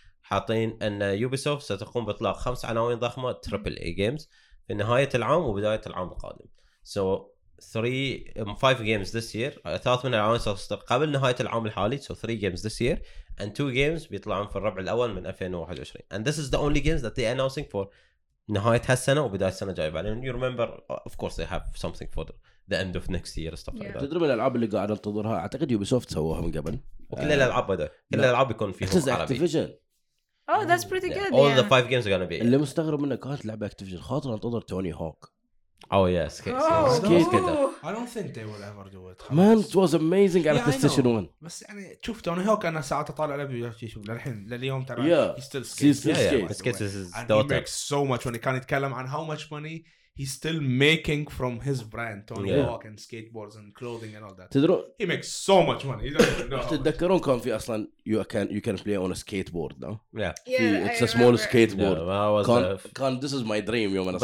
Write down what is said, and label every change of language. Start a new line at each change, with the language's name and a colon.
Arabic: حاطين أن Ubisoft ستقوم بإطلاق 5 عناوين ضخمة
English: AAA games
Arabic: في نهاية العام وبداية العام القادم.
English: So 3-5 games this year.
Arabic: 3 من العوامل ستصدر قبل نهاية العام الحالي.
English: So 3 games this year and 2 games
Arabic: بيطلعون في الربع الأول من 2021.
English: And this is the only games that they are announcing for
Arabic: نهاية هالسنة وبداية السنة الجاية.
English: And you remember, of course, they have something for the end of next year stuff like that.
Arabic: تدري الألعاب اللي قاعد انتظرها؟ أعتقد Ubisoft سووها من قبل. وكل الألعاب هذا. كل الألعاب يكون فيهم عربي.
English: Activision. Oh, that's pretty good. All the 5 games are gonna be.
Arabic: اللي مستغرب منه كانت لعبة Activision خاطر انتظر توني هوك.
English: Oh yeah, skate. I don't think they will ever do it. Man, it was amazing on PlayStation 1.
Arabic: بس يعني شوف توني هوك أنا ساعات أطالع على فيديو شيء شوف للحين لليوم ترى.
English: Yeah. He still skates. Yeah. And he makes so much money.
Arabic: كان يتكلم عن
English: how much money he's still making from his brand Tony Hawk and skateboards and clothing and all that.
Arabic: تدرو.
English: He makes so much money. He doesn't know.
Arabic: تتذكرون كان في أصلاً
English: you can play on a skateboard now. Yeah. Yeah. It's a small skateboard. كان this is my dream
Arabic: يوم أنا